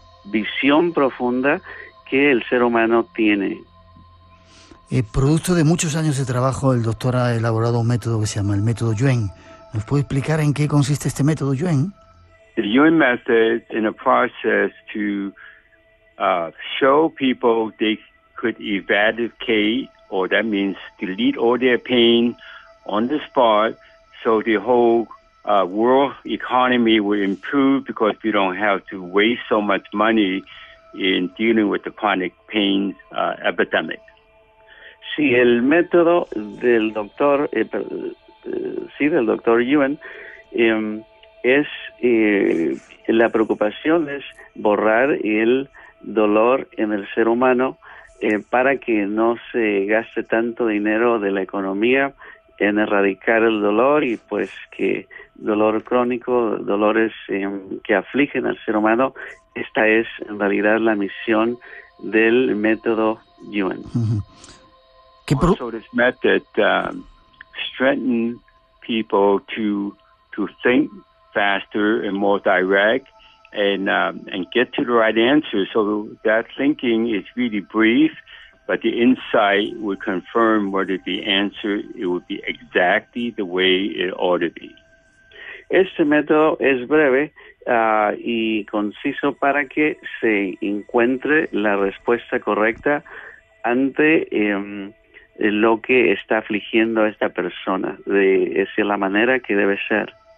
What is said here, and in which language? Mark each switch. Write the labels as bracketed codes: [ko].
[es] visión profunda que el ser humano tiene. Producto de muchos años de trabajo, el doctor ha elaborado un método que se llama el método Yuen. ¿Nos puede explicar en qué consiste este método Yuen? [en] The Yuen method is in a process to show people they could eradicate, or that means delete all their pain on the spot, so the whole world economy will improve because we don't have to waste so much money in dealing with the chronic pain epidemic. [es] Sí, el método del doctor, del doctor Yuen, la preocupación es borrar el dolor en el ser humano para que no se gaste tanto dinero de la economía en erradicar el dolor y pues que dolor crónico, dolores que afligen al ser humano, esta es en realidad la misión del método Yuen. [en] Also, this method strengthen people to think faster and more direct and get to the right answer. So that thinking is really brief, but the insight will confirm whether the answer it will be exactly the way it ought to be. [es] Este método es breve y conciso para que se encuentre la respuesta correcta ante lo que está afligiendo a esta persona, de esa la manera que debe ser.